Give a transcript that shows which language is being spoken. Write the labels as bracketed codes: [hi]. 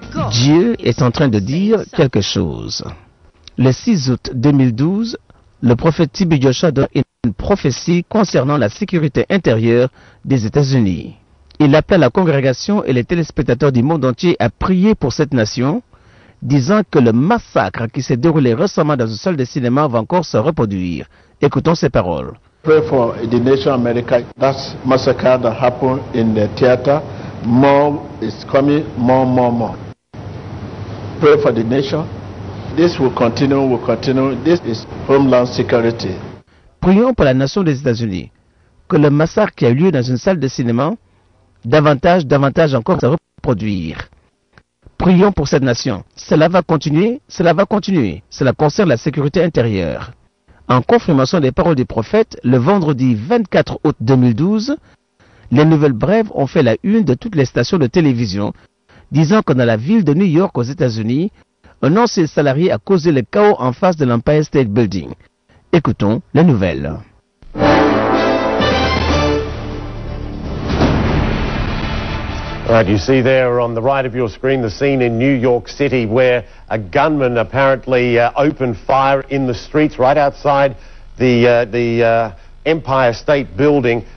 [fr] Dieu est en train de dire quelque chose. Le 6 août 2012, le prophète TB Joshua donne une prophétie concernant la sécurité intérieure des États-Unis. Il appelle la congrégation et les téléspectateurs du monde entier à prier pour cette nation, disant que le massacre qui s'est déroulé récemment dans une salle de cinéma va encore se reproduire. Écoutons ces paroles. [en] Pray for the nation of America. That massacre that happened in the theater, more is coming, more. Pray for the nation. This will continue. This is homeland security. [fr] Prions pour la nation des États-Unis. Que le massacre qui a eu lieu dans une salle de cinéma, davantage encore se reproduire. Prions pour cette nation. Cela va continuer. Cela concerne la sécurité intérieure. En confirmation des paroles du prophète, le vendredi 24 août 2012, les nouvelles brèves ont fait la une de toutes les stations de télévision, disant que dans la ville de New York aux États-Unis, un ancien salarié a causé le chaos en face de l'Empire State Building. Écoutons la nouvelle. [en] Right, you see there on the right of your screen the scene in New York City where a gunman apparently opened fire in the streets right outside the Empire State Building.